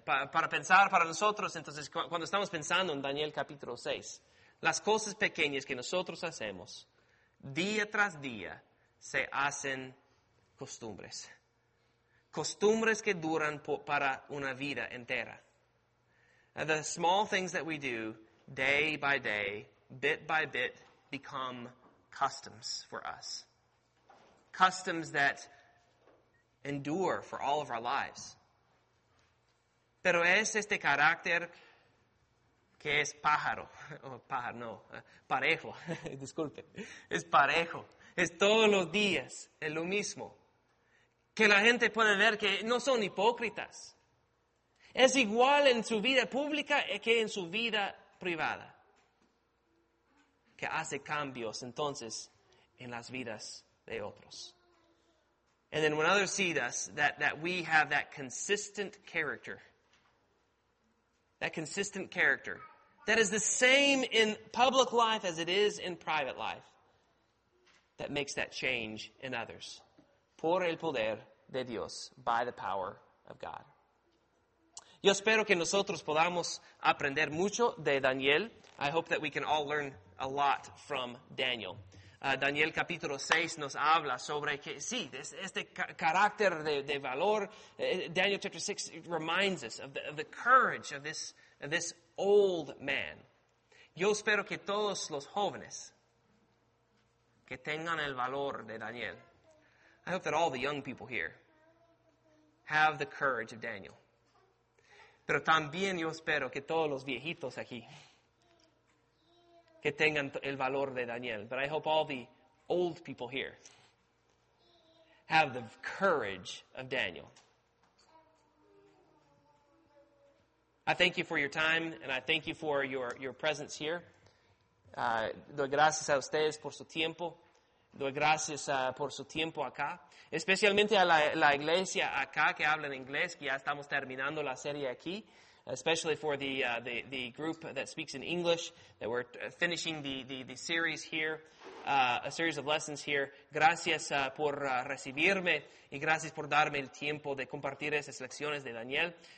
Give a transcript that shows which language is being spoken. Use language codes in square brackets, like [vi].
[es] Para pensar para nosotros, entonces, cuando estamos pensando en Daniel capítulo 6, las cosas pequeñas que nosotros hacemos, día tras día, se hacen costumbres. Costumbres que duran para una vida entera. [en] And the small things that we do, day by day, bit by bit, become customs for us. Customs that endure for all of our lives. [es] Pero es este carácter que es pájaro. Oh, pájaro, no. Parejo. Disculpe. Es parejo. Es todos los días. Es lo mismo. Que la gente puede ver que no son hipócritas. Es igual en su vida pública que en su vida privada. Que hace cambios entonces en las vidas de otros. [en] And then when others see us, that we have that consistent character. That consistent character. That is the same in public life as it is in private life. That makes that change in others. [es] Por el poder de Dios. [en] By the power of God. [es] Yo espero que nosotros podamos aprender mucho de Daniel. [en] I hope that we can all learn a lot from Daniel. [es] Daniel capítulo 6 nos habla sobre que, sí, este carácter de valor. [en] Daniel chapter 6 reminds us of the courage of this old man. [es] Yo espero que todos los jóvenes que tengan el valor de Daniel [en] I hope that all the young people here have the courage of Daniel. [es] Pero también yo espero que todos los viejitos aquí que tengan el valor de Daniel. [en] But I hope all the old people here have the courage of Daniel. I thank you for your time, and I thank you for your presence here. [es] Doy gracias a ustedes por su tiempo. Doy gracias por su tiempo acá. Especialmente a la iglesia acá que habla en inglés, que ya estamos terminando la serie aquí. [en] Especially for the group that speaks in English, that we're finishing the series here, a series of lessons here. [es] Gracias por recibirme y gracias por darme el tiempo de compartir esas lecciones de Daniel.